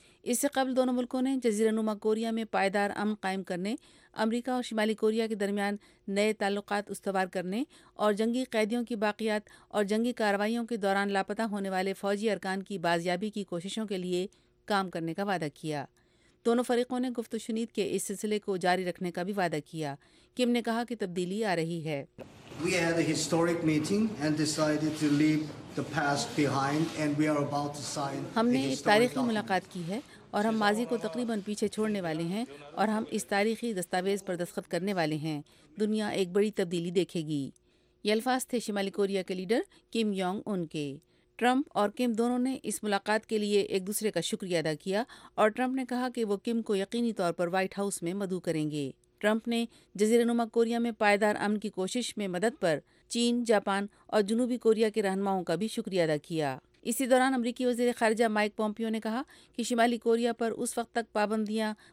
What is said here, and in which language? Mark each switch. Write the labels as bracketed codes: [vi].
[ur] اس سے قبل دونوں ملکوں نے جزیرہ نما کوریا میں پائیدار امن قائم کرنے، امریکہ اور شمالی کوریا کے درمیان نئے تعلقات استوار کرنے اور جنگی قیدیوں کی باقیات اور جنگی کارروائیوں کے دوران لاپتہ ہونے والے فوجی ارکان کی بازیابی کی کوششوں کے لیے کام کرنے کا وعدہ کیا۔ دونوں فریقوں نے گفت و شنید کے اس سلسلے کو جاری رکھنے کا بھی وعدہ کیا۔ کم نے کہا کہ تبدیلی آ رہی ہے۔ [en] We had a historic meeting and decided to leave the past behind and we are about to sign. [ur] ہم نے ایک تاریخی ملاقات کی ہے اور ہم ماضی کو تقریباً پیچھے چھوڑنے والے ہیں اور ہم اس تاریخی دستاویز پر دستخط کرنے والے ہیں۔ دنیا ایک بڑی تبدیلی دیکھے گی۔ یہ الفاظ تھے شمالی کوریا کے لیڈر کم یونگ ان کے۔ ٹرمپ اور کم دونوں نے اس ملاقات کے لیے ایک دوسرے کا شکریہ ادا کیا اور ٹرمپ نے کہا کہ وہ کم کو یقینی طور پر وائٹ ہاؤس میں مدعو کریں گے۔ ٹرمپ نے جزیرہ نما کوریا میں پائیدار امن کی کوشش میں مدد پر چین، جاپان اور جنوبی کوریا کے رہنماؤں کا بھی شکریہ ادا کیا۔ اسی دوران امریکی وزیر خارجہ مائک پومپیو نے کہا کہ شمالی کوریا پر اس وقت تک پابندیاں